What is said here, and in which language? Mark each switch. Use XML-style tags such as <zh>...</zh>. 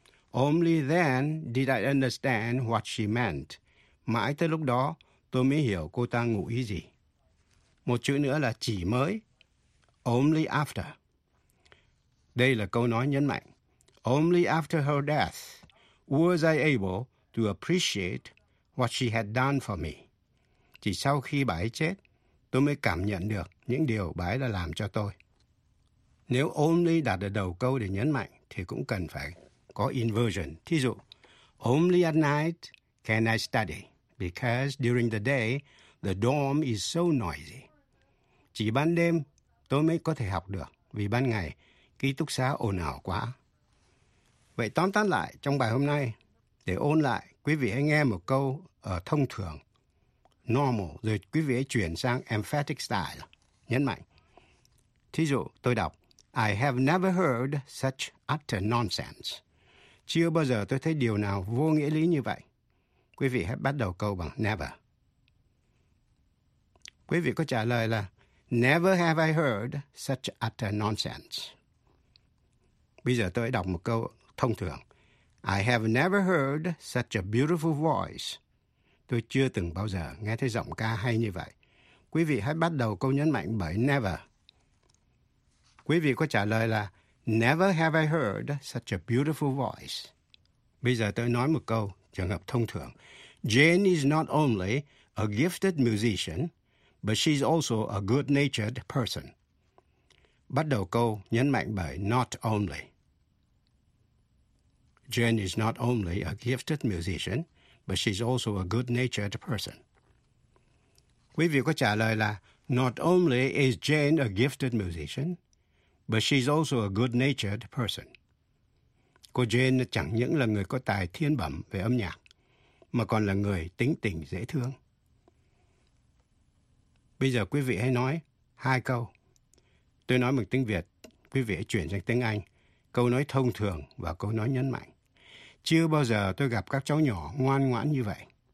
<en>Only then did I understand what she meant.</en> <vi>Mãi tới lúc đó, tôi mới hiểu cô ta ngụ ý gì. Một chữ nữa là chỉ mới, only after. Đây là câu nói nhấn mạnh.</vi> <en>Only after her death was I able to appreciate what she had done for me.</en> <vi>Chỉ sau khi bà ấy chết, tôi mới cảm nhận được những điều bà ấy đã làm cho tôi. Nếu only đặt ở đầu câu để nhấn mạnh thì cũng cần phải có inversion. Thí dụ,</vi> <en>only at night can I study because during the day the dorm is so noisy.</en> <vi>Chỉ ban đêm tôi mới có thể học được vì ban ngày ký túc xá ồn ào quá. Vậy tóm tắt lại trong bài hôm nay, để ôn lại, quý vị hãy nghe một câu ở thông thường, normal, rồi quý vị hãy chuyển sang emphatic style, nhấn mạnh. Thí dụ, tôi đọc,</vi> <en>I have never heard such utter nonsense.</en> <vi>Chưa bao giờ tôi thấy điều nào vô nghĩa lý như vậy. Quý vị hãy bắt đầu câu bằng never. Quý vị có trả lời là</vi> <en>never have I heard such utter nonsense.</en> <vi>Bây giờ tôi đọc một câu thông thường.</vi> <en>I have never heard such a beautiful voice.</en> <vi>Tôi chưa từng bao giờ nghe thấy giọng ca hay như vậy. Quý vị hãy bắt đầu câu nhấn mạnh bởi never. Quý vị có trả lời là</vi> <en>never have I heard such a beautiful voice.</en> <vi>Bây giờ tôi nói một câu trường hợp thông thường.</vi> <en>Jane is not only a gifted musician, but she's also a good-natured person.</en> <vi>Bắt đầu câu nhấn mạnh bởi not only.</vi> <en>Jane is not only a gifted musician, but she's also a good-natured person.</en> <vi>Quý vị có trả lời là</vi> <en>not only is Jane a gifted musician, but she's also a good-natured person.</en> <vi>Cô Jane chẳng những là người có tài thiên bẩm về âm nhạc, mà còn là người tính tình dễ thương. Bây giờ quý vị hãy nói hai câu. Tôi nói bằng tiếng Việt, quý vị hãy chuyển sang tiếng Anh. Câu nói thông thường và câu nói nhấn mạnh. Chưa bao giờ tôi gặp các cháu nhỏ ngoan ngoãn như vậy.</vi>